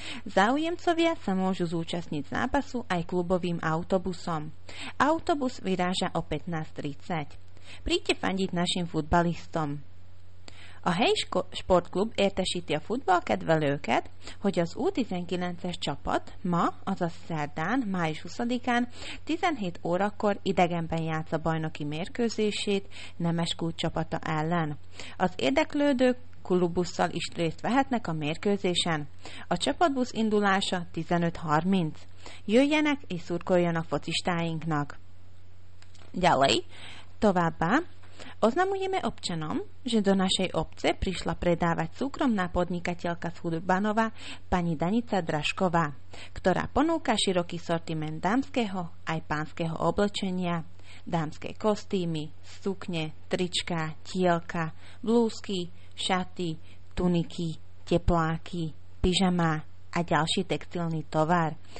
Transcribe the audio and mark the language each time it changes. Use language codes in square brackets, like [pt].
[sk] Záujemcovia sa môžu zúčastniť zápasu aj klubovým autobusom. Autobus vyráža o 15.30. Príďte fandiť našim futbalistom. [hu] A helyi sportklub értesíti a futballkedvelőket, hogy az U19-es csapat ma, azaz szerdán, május 20-án 17 órakor idegenben játsz a bajnoki mérkőzését Nemeskút csapata ellen. Az érdeklődők klubusszal is részt vehetnek a mérkőzésen. A csapatbusz indulása 15.30. Jöjjenek és szurkoljanak focistáinknak. [sk] Ďalej, továbbá, oznamujeme občanom, že do našej obce prišla predávať súkromná podnikateľka z Hudbanova pani Danica Drašková, ktorá ponúka široký sortiment dámskeho aj pánskeho oblečenia, dámske kostýmy, sukne, trička, tielka, blúzky, šaty, tuniky, tepláky, pyžamá a ďalší textilný tovar.